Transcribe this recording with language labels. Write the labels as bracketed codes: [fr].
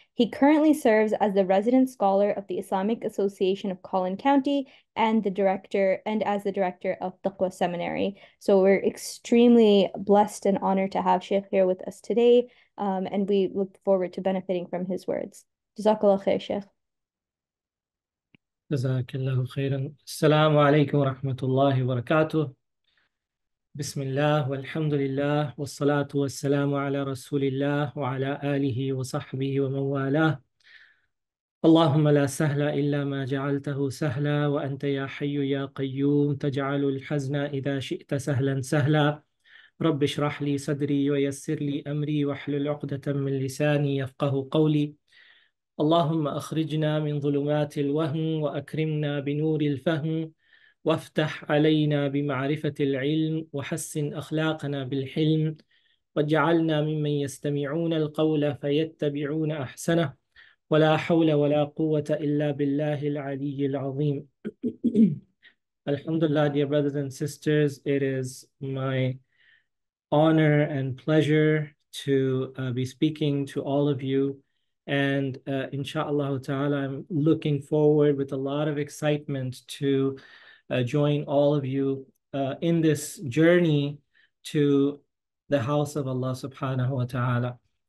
[en] He currently serves as the resident scholar of the Islamic Association of Collin County and as the director of Taqwa Seminary. So we're extremely blessed and honored to have Sheikh here with us today, and we look forward to benefiting from his words. Jazakallah khair, Sheikh. [ar] جزاك الله خيرا. السلام عليكم ورحمة الله وبركاته. بسم الله والحمد لله والصلاة والسلام على رسول الله وعلى آله وصحبه ومن والاه. اللهم لا سهل إلا ما جعلته سهلا، وأنت يا حي يا قيوم تجعل الحزن إذا شئت سهلا سهلا. رب اشرح لي صدري ويسر لي أمري واحلل عقدة من لساني يفقه قولي. اللهم أخرجنا من ظلمات الوهم وأكرمنا بنور الفهم وافتح علينا بمعرفة العلم وحسن أخلاقنا بالحلم واجعلنا ممن يستمعون القول فيتبعون أحسنه ولا حول ولا قوة إلا بالله العلي العظيم. الحمد لله. [en] Dear brothers and sisters, it is my honor and pleasure to be speaking to all of you. And inshallah ta'ala, I'm looking forward with a lot of excitement to join all of you in this journey to the house of Allah subhanahu wa ta'ala.